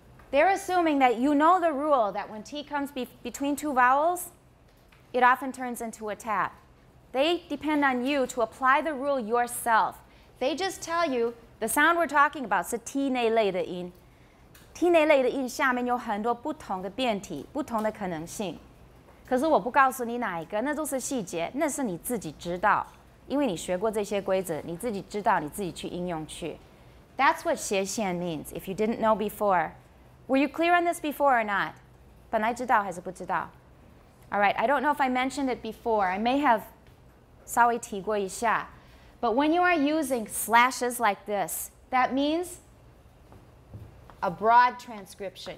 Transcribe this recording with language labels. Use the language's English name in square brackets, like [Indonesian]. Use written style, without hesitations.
[English] They're assuming that you know the rule that when T comes between two vowels, it often turns into a tap. They depend on you to apply the rule yourself. They just tell you the sound we're talking about is T [Chinese] 内类的音. T 内类的音下面有很多不同的变体，不同的可能性. 可是我不告诉你哪一个，那都是细节，那是你自己知道，因为你学过这些规则，你自己知道，你自己去应用去. [English] That's what 斜线 means. If you didn't know before, were you clear on this before or not? [Chinese] 本来知道还是不知道? [English] All right. I don't know if I mentioned it before. I may have [Chinese] 稍微提过一下. [English] But when you are using slashes like this, that means a broad transcription.